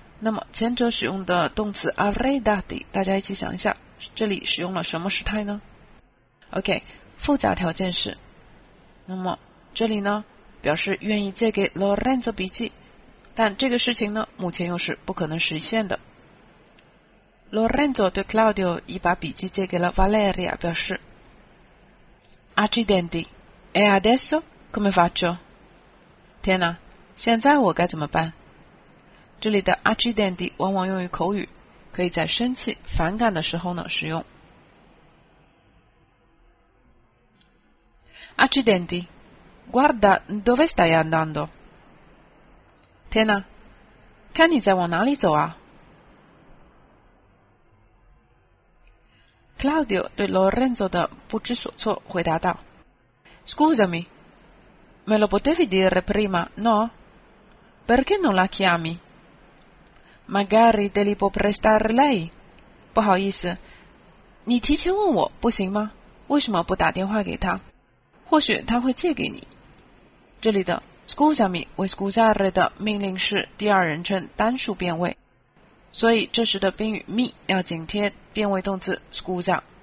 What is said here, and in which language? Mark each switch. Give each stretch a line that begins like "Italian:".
Chinese: 那么前者使用的动词 avrei dati， 大家一起想一下，这里使用了什么时态呢 ？OK， 附加条件是。那么这里呢表示愿意借给 Lorenzo 笔记，但这个事情呢目前又是不可能实现的。 Lorenzo 对 Claudio 已把笔记借给了 Valeria， 表示
Italian: Accidenti， e adesso come faccio？
Chinese: 天哪，现在我该怎么办？这里的 Accidenti 往往用于口语，可以在生气反感的时候呢使用。
Italian: Accidenti, guarda dove stai andando.
Chinese: 天哪，看你在往哪里走啊。 Claudio 对 Lorenzo 的不知所措回答道
Italian: Scusami, me lo potevi dire prima, no? Perché non la chiami? Magari te li può prestare lei.
Chinese: 不好意思，你提前问我不行吗？为什么不打电话给他？或许他会借给你。这里的 scusami 为 scusare 的命令式第二人称单数变位，所以这时的宾语 mi 要紧贴变位动词 scusa。